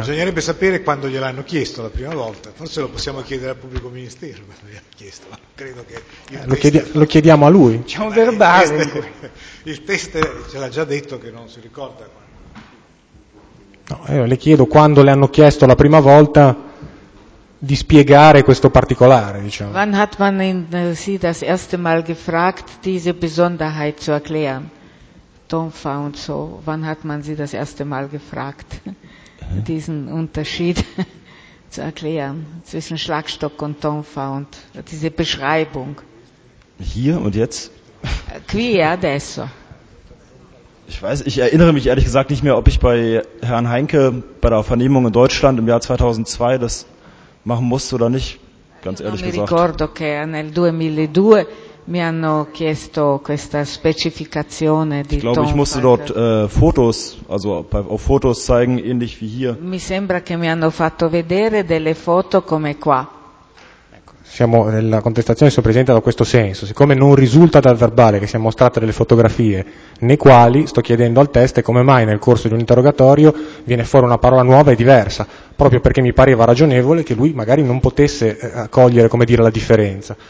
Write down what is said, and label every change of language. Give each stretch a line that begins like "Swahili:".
Italian: Bisognerebbe sapere quando gliel'hanno chiesto la prima volta, forse lo possiamo chiedere al pubblico ministero, ma gliel'hanno chiesto, ma credo che lo chiediamo a lui. C'è un verbale. Il test ce l'ha già detto che non si ricorda quando. No, le chiedo quando le hanno chiesto la prima volta di spiegare questo particolare, diciamo.
German: Wann hat man Sie das erste Mal gefragt, diese Besonderheit zu erklären? Tonfa und so, wann hat man sie das erste Mal gefragt, diesen Unterschied zu erklären, zwischen Schlagstock und Tonfa und diese Beschreibung? Hier und jetzt?
Italian: Qui e adesso.
German: Ich weiß, ich erinnere mich ehrlich gesagt nicht mehr, ob ich bei Herrn Heinke bei der Vernehmung in Deutschland im Jahr 2002 das machen musste oder nicht, ganz ehrlich gesagt. Ich
Italian: ricordo che nel 2002 mi hanno chiesto questa specificazione di Tonfa.
German: Ich musste dort Fotos, also auf Fotos zeigen, ähnlich wie hier.
Italian: Mi sembra che mi hanno fatto vedere delle foto come qua. Siamo nella contestazione, sto presentando questo senso. Siccome non risulta dal verbale che si è mostrata delle fotografie nei quali, sto chiedendo al test come mai nel corso di un interrogatorio viene fuori una parola nuova e diversa, proprio perché mi pareva ragionevole che lui magari non potesse accogliere, come dire, la differenza.